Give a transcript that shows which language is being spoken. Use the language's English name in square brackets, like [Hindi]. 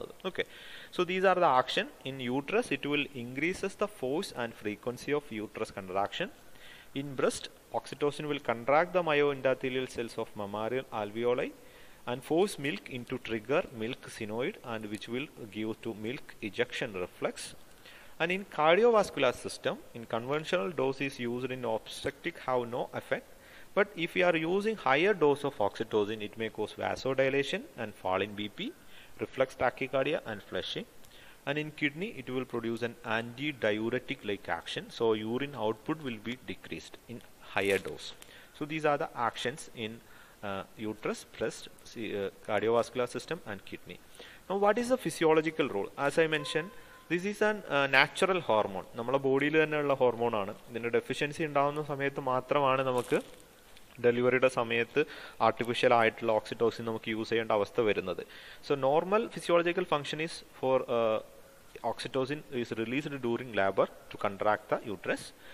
[English] Okay, so these are the action in uterus. It will increases the force and frequency of uterus contraction. In breast oxytocin will contract the myo endothelial cells of mammarial alveoli and force milk in to trigger milk sinoid and which will give to milk ejection reflex. And in cardiovascular system, in conventional doses used in obstetric have no effect. But if you are using higher dose of oxytocin, it may cause vasodilation and fall in BP, reflex tachycardia and flushing. And in kidney, it will produce an antidiuretic-like action. So urine output will be decreased in higher dose. So these are the actions in uterus, breast, cardiovascular system and kidney. Now what is the physiological role? As I mentioned, this is an natural hormone. [Malayalam] നമ്മുടെ ബോഡിയിൽ തന്നെയുള്ള ഹോർമോണാണ്. ഇതിൻ്റെ deficiency ഉണ്ടാകുന്ന സമയത്ത് മാത്രമാണ് നമുക്ക് ഡെലിവറിയുടെ സമയത്ത് ആർട്ടിഫിഷ്യൽ ആയിട്ടുള്ള ഓക്സിറ്റോസിൻ നമുക്ക് യൂസ് ചെയ്യേണ്ട അവസ്ഥ വരുന്നത്. [English] So normal physiological function is for oxytocin is released during labour to contract the uterus.